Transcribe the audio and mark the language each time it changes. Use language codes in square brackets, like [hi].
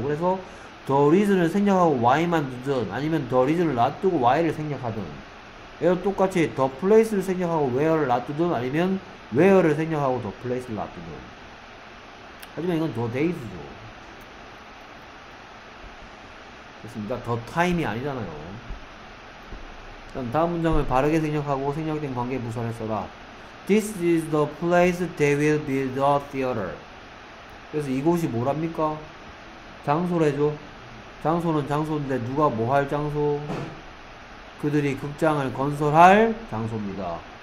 [ko] 그래서 the reason을 생략하고 y만 두든 아니면 the reason을 놔두고 y를 생략하든 얘도 똑같이 the place를 생략하고 where를 놔두든 아니면 where를 생략하고 the place를 놔두든. 하지만 이건 the days죠. 그렇습니다. the time이 아니잖아요. 그럼 다음 문장을 바르게 생략하고 생략된 관계 부사를 써라. [en] This is the place they will build a theater. [ko] 그래서 이곳이 뭐랍니까? 장소래죠. 장소는 장소인데 누가 뭐 할 장소? 그들이 극장을 건설할 장소입니다.